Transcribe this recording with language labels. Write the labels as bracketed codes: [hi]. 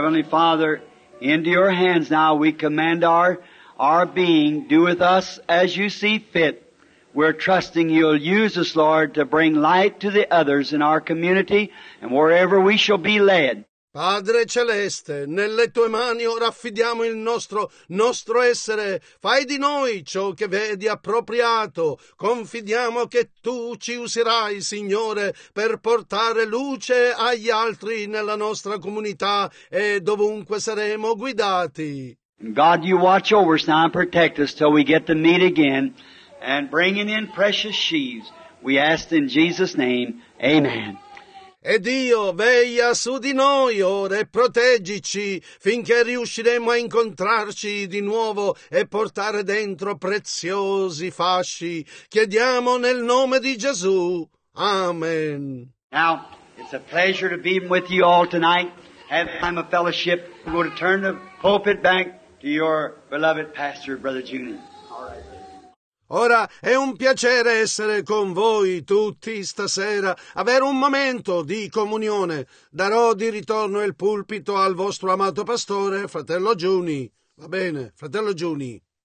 [en] Father, into your hands now we command our being, do with us as you see fit. We're trusting you'll use us, Lord, to bring light to the others in our community and wherever we shall be led. [it] Padre Celeste, nelle tue mani ora affidiamo il nostro essere. Fai di noi ciò che vedi appropriato. Confidiamo che tu ci userai, Signore, per portare luce agli altri nella nostra comunità e dovunque saremo guidati. [en] God, you watch over us now and protect us till we get to meet again and bring in precious sheaves. We ask in Jesus' name. Amen. [it] E Dio veglia su di noi ora e proteggici finché riusciremo a incontrarci di nuovo e portare dentro preziosi fasci. Chiediamo nel nome di Gesù. Amen. [en] Now, it It's a pleasure to be with you all tonight. Have a time of fellowship. We're going to turn the pulpit back to your beloved pastor, Brother Junior. [it] Ora è un piacere essere con voi tutti stasera, avere un momento di comunione. Darò di ritorno il pulpito al vostro amato pastore, fratello Giuni. Va bene, fratello Giuni.